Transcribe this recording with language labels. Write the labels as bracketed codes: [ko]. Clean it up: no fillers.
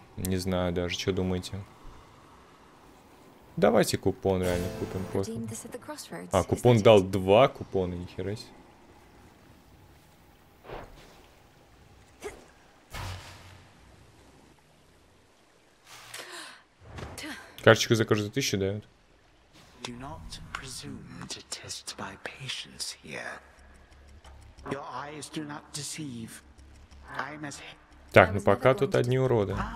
[ru] Не знаю даже, что думаете. Давайте купон реально купим просто. А, купон дал 2 купона, нихера себе. Карточку за каждую 1000 дают. [en] Do not presume to test my patience here. Your eyes do not deceive. I'm as... [ru] Так, ну пока тут одни уроды.